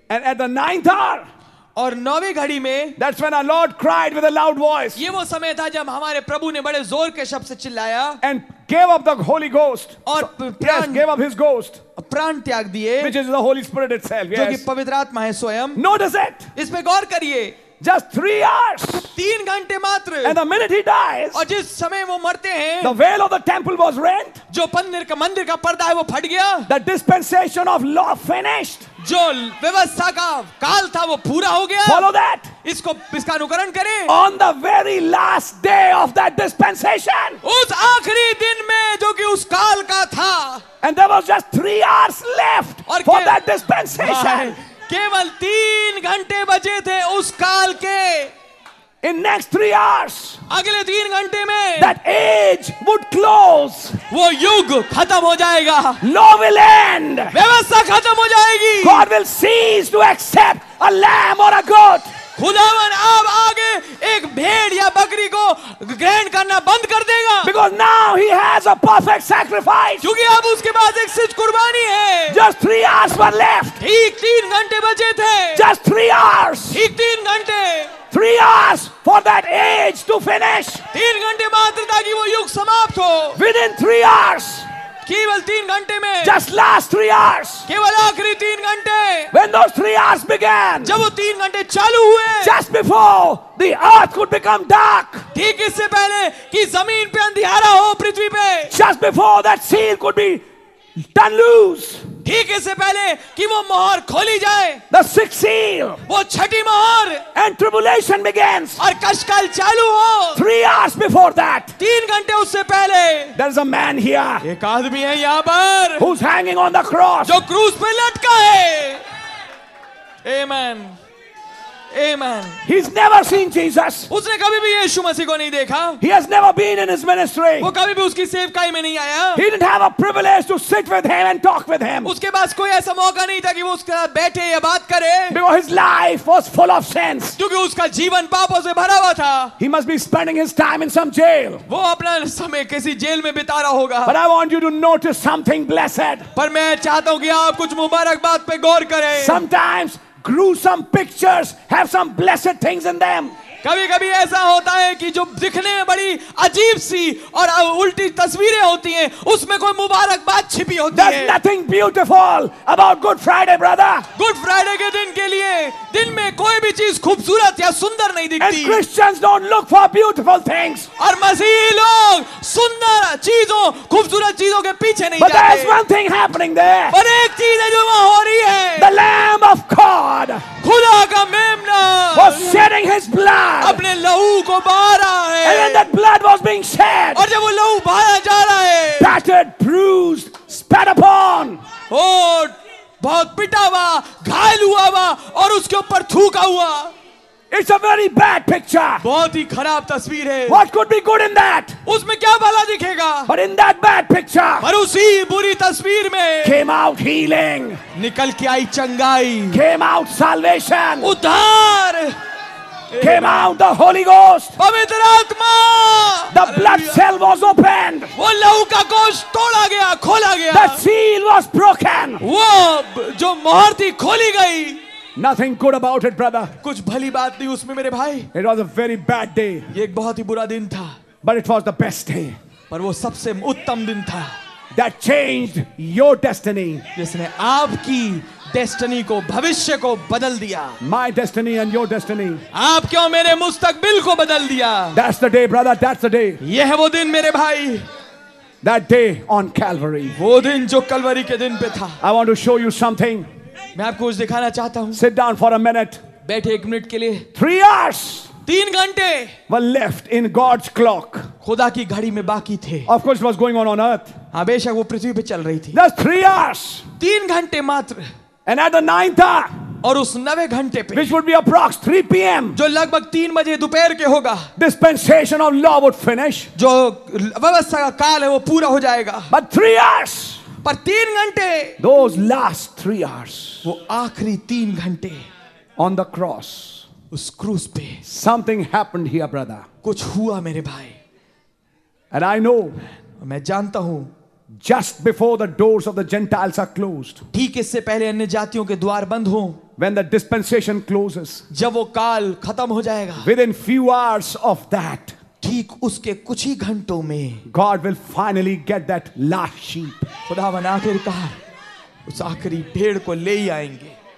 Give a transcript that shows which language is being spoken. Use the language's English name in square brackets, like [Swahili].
[English] And at the ninth hour. [Hindi] और नौवीं घड़ी में. [English] That's when our Lord cried with a loud voice. [Hindi] ये वो समय था जब हमारे प्रभु ने बड़े जोर के शब्द से चिल्लाया. [English] And gave up the Holy Ghost. [Hindi] और प्राण. [English] Yes, gave up His Ghost. [Hindi] प्राण त्याग दिए. [English] Which is the Holy Spirit itself. [Hindi] जो कि पवित्र आत्मा है स्वयं. [English] Notice it. [Hindi] इस पे गौर करिए. [English] Just 3 hours. [Hindi] 3 घंटे मात्र. [English] And the minute He dies. [Hindi] और जिस समय वो मरते हैं. [English] The veil of the temple was rent. [Hindi] जो मंदिर का पर्दा है वो फट गया. [English] The dispensation of law finished. [Hindi] जो व्यवस्था का काल था वो पूरा हो गया. [English] Follow that. [Hindi] इसको इसका अनुकरण करें. [English] On the very last day of that dispensation. [Hindi] उस आखिरी दिन में जो कि उस काल का था. [English] And there was just 3 hours left for that dispensation. [Hindi] केवल 3 घंटे बचे थे उस काल के. [English] In next 3 hours. [Hindi] अगले 3 घंटे में. [English] That age would close. [Hindi] वो युग खत्म हो जाएगा. [English] Law will end. [Hindi] व्यवस्था खत्म हो जाएगी. [English] God will cease to accept a lamb or a goat. [Hindi] खुदावन अब आगे एक भेड़ या बकरी को ग्रहण करना बंद कर देगा. [English] Because now he has a perfect sacrifice. [Hindi] क्योंकि अब उसके पास एक सच कुर्बानी है. [English] Just 3 hours were left. [Hindi] ठीक 3 घंटे बचे थे. [English] Just 3 hours. [Hindi] ठीक 3 घंटे. [English] 3 hours for that age to finish. [Hindi] 3 घंटे मात्र ताकि वो युग समाप्त हो. [English] Within 3 hours. [Hindi] केवल 3 घंटे में. [English] Just last 3 hours. [Hindi] केवल आखिरी 3 घंटे. [English] When those 3 hours began. [Hindi] जब वो 3 घंटे चालू हुए. [English] Just before the earth could become dark. [Hindi] ठीक इससे पहले कि जमीन पे अंधियारा हो पृथ्वी पे. [English] Just before that seal could be turned loose. [Hindi] ठीक इससे पहले कि वो मोहर खोली जाए. [English] The sixth seal. [Hindi] वो छठी मोहर. [English] And tribulation begins. [Hindi] और कष्टकाल चालू हो. [English] 3 hours before that. [Hindi] 3 घंटे उससे पहले. [English] There is a man here. [Hindi] एक आदमी है यहाँ पर. [English] Who's hanging on the cross. [Hindi] जो क्रूस पे लटका है. Amen. Amen. [English] He's never seen Jesus. [Hindi] उसने कभी भी यीशु मसीह को नहीं देखा. [English] He has never been in his ministry. [Hindi] वो कभी भी उसकी सेवकाई में नहीं आया. [English] He didn't have a privilege to sit with him and talk with him. [Hindi] उसके पास कोई ऐसा मौका नहीं था कि वो उसके साथ बैठे या बात करे. [English] Because his life was full of sins. [Hindi] क्योंकि उसका जीवन पापों से भरा हुआ था. [English] He must be spending his time in some jail. [Hindi] वो अपना समय किसी जेल में बिता रहा होगा. [English] But I want you to notice something blessed. [Hindi] पर मैं चाहता हूँ कि आप कुछ मुबारकबाद पे गौर करें. [English] Sometimes gruesome pictures have some blessed things in them. [Hindi] कभी कभी ऐसा होता है कि जो दिखने में बड़ी अजीब सी और उल्टी तस्वीरें होती हैं, उसमें कोई मुबारकबाद छिपी होती है. [English] There's nothing beautiful about Good Friday, brother. [Hindi] Good Friday के दिन के लिए दिन में कोई भी चीज खूबसूरत या सुंदर नहीं दिखती. [English] And Christians don't look for beautiful things. [Hindi] और मसीही लोग सुंदर चीजों खूबसूरत चीजों के पीछे नहीं जाते. [English] But there's one thing happening there. [Hindi] पर एक चीज है जो वहां हो रही है. [English] The Lamb of God. [Hindi] खुदा का मेमना. [English] Was shedding his blood. [Hindi] अपने लहू को बहा रहा है. [English] And when that blood was being shed. [Hindi] और जब वो लहू बहाया जा रहा है. [English] Battered, bruised, spat upon. [Hindi] और बहुत पिटा हुआ, घायल हुआ हुआ और उसके ऊपर थूका हुआ. [English] It's a very bad picture. [Hindi] बहुत ही खराब तस्वीर है. [English] What could be good in that? [Hindi] उसमें क्या भला दिखेगा? [English] But in that bad picture. [Hindi] पर उसी बुरी तस्वीर में. [English] Came out healing. [Hindi] निकल के आई चंगाई. [English] Came out salvation. [Hindi] उद्धार. [English] Came out the Holy Ghost. [Hindi] पवित्र आत्मा. [English] The blood cell was opened. [Hindi] वो लहू का कोष तोड़ा गया, खोला गया. [English] The seal was broken. [Hindi] वो जो मोहर थी खोली गई. [English] Nothing good about it, brother. [Hindi] कुछ भली बात नहीं उसमें मेरे भाई. [English] It was a very bad day. [Hindi] ये एक बहुत ही बुरा दिन था. [English] But it was the best day. [Hindi] पर वो सबसे उत्तम दिन था. [English] That changed your destiny. [Hindi] जिसने आपकी डेस्टिनी को, भविष्य को बदल दिया. [English] My destiny and your destiny. [Hindi] आप क्यों मेरे मुस्तकबिल को बदल दिया. [English] That's the day, brother. That's the day. [Hindi] ये है वो दिन मेरे भाई. [English] That day on Calvary. [Hindi] वो दिन जो कलवरी के दिन पे था. [English] I want to show you something. [Hindi] मैं आपको कुछ दिखाना चाहता हूँ. [English] Sit down for a minute. [Hindi] बैठे एक मिनट के लिए. [English] 3 hours. [Hindi] 3 घंटे. [English] Were left in God's clock. [Hindi] खुदा की घड़ी में बाकी थे. [English] Of course, it was going on earth. [Hindi] हाँ, बेशक वो पृथ्वी पे चल रही थी. [English] Just 3 hours. [Hindi] 3 घंटे मात्र. [English] And at the 9th hour. [Hindi] और उस 9 घंटे पे. [English] Which would be approximately 3 PM. [Hindi] जो लगभग 3 बजे दोपहर के होगा. [English] Dispensation of law would finish. [Hindi] जो व्यवस्था का काल है वो पूरा हो जाएगा. [English] But 3 hours. [Hindi] पर 3 घंटे. [English] Those last 3 hours. [Hindi] वो आखिरी 3 घंटे. [English] On the cross. [Hindi] उस क्रूस पे. [English] Something happened here, brother. [Hindi] कुछ हुआ मेरे भाई. [English] And I know. [Hindi] मैं जानता हूँ. [English] Just before the doors of the Gentiles are closed. [Hindi] ठीक इससे पहले अन्य जातियों के द्वार बंद हों. [English] When the dispensation closes. [Hindi] जब वो काल खत्म हो जाएगा. [English] Within few hours of that. [Hindi] ठीक उसके कुछ ही घंटों में. [English] God will finally get that last sheep. [Hindi] खुदावन आखिरकार उस आखिरी भेड़ को ले ही आएंगे.